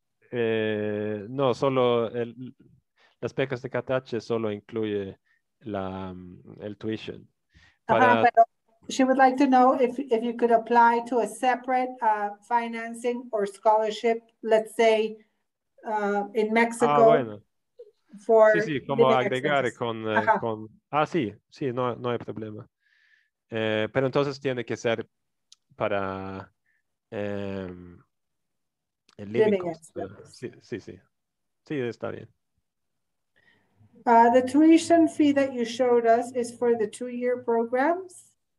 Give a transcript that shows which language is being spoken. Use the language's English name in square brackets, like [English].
[Spanish] No, solo las becas de KTH solo incluye el tuition. [English] She would like to know if you could apply to a separate financing or scholarship, let's say in Mexico. [Spanish] Ah, bueno. Sí, como agregar expenses. con sí, no hay problema. Pero entonces tiene que ser para el living cost. Sí, está bien. [English] The tuition fee that you showed us is for the 2-year programs.